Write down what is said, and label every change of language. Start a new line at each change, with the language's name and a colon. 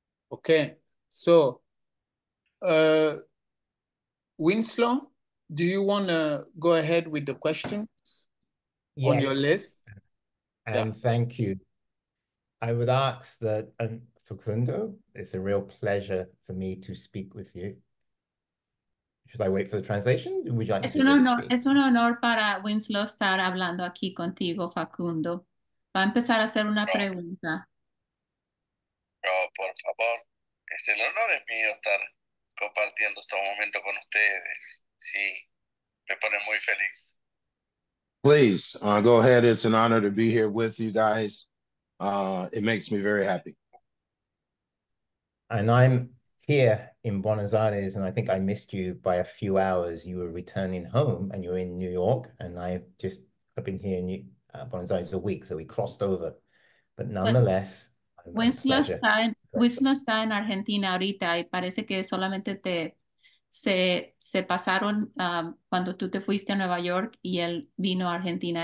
English: Okay, so Winslow, do you want to go ahead with the questions on your list? And thank you. I would ask that, Facundo, it's a real pleasure for me to speak with you. Should I wait for the translation? Would you like
Spanish: Es un honor para Winslow estar hablando aquí contigo, Facundo. Va a empezar a hacer una pregunta. No, por favor, es el honor es mío estar compartiendo este momento con ustedes. Sí, me pone muy feliz.
English: Please, go ahead. It's an honor to be here with you guys. It makes me very happy. And I'm here in Buenos Aires, and I think I missed you by a few hours. You were returning home, and you were in New York, and I've been here in Buenos Aires a week, so we crossed over. But nonetheless,
Spanish: Winslow está en Argentina ahorita, y parece que solamente se pasaron cuando tú te fuiste a Nueva York y él vino a Argentina.